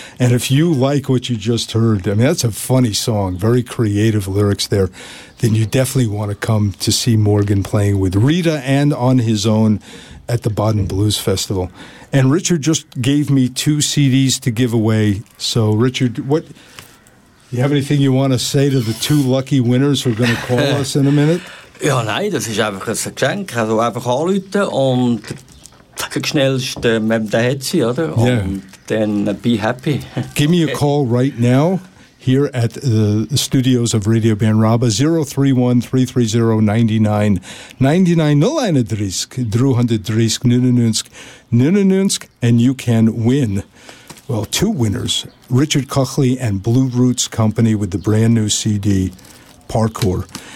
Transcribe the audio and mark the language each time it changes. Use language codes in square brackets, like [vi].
[en] And if you like what you just heard, I mean, that's a funny song, very creative lyrics there, then you definitely want to come to see Morgan playing with Rita and on his own at the Baden Blues Festival. And Richard just gave me two CDs to give away. So, Richard, what... You have anything you want to say to the two lucky winners who are going to call us in a minute? [de] Ja, nein, das ist einfach ein Geschenk. Also einfach anrufen und der schnellste, der hat sie, oder? [en] Yeah. [de] Und dann [en] be happy. Give me a call right now here at the studios of Radio Ben Rabba, 031-330-9999, and you can win. Well, two winners, Richard Cuchley and Blue Roots Company with the brand new CD, Parkour.